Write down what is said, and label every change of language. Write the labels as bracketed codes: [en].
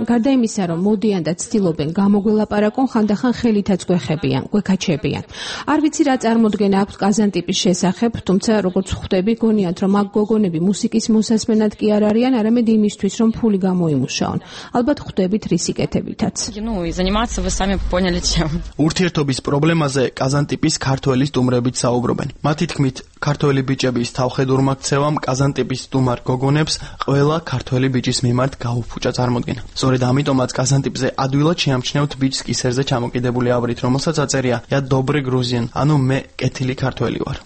[ka] გარდა იმისა, რომ მოდიან და ცდილობენ გამოგველაპარაკონ, ხანდახან ხელითაც გვეხებიან, გვექაჩებიან. არ ვიცი რა წარმოდგენა აქვთ კაზანტიპის შესახებ, თუმცა როგორც ხვდები, გონიათ, რომ აქ გოგონები მუსიკის მოსასმენად კი არ არიან, არამედ იმისთვის, რომ ფული გამოიმუშაონ. ალბათ ხვდებით რისკეთებითაც. [ru] Ну, и заниматься вы сами поняли чем. [ka] Ურთიერთობის პრობლემაზე კაზანტიპის ქართველი სტუმრებიც საუბრობენ. მათი თქმით, ქართველი ბიჭების თავხედურმა ქცევამ კაზანტიპის სტუმარ გოგონებს ყველა ქართველი ბიჭის მიმართ გაუფუჭა წარმოდგენა. სწორედ ამიტომაც კაზანტიპზე ადვილად შეამჩნევთ ბიჭს კისერზე ჩამოკიდებული აბრით, რომელსაც აწერია: [ru] "Я добрый грузин", [ka] ანუ მე კეთილი ქართველი ვარ.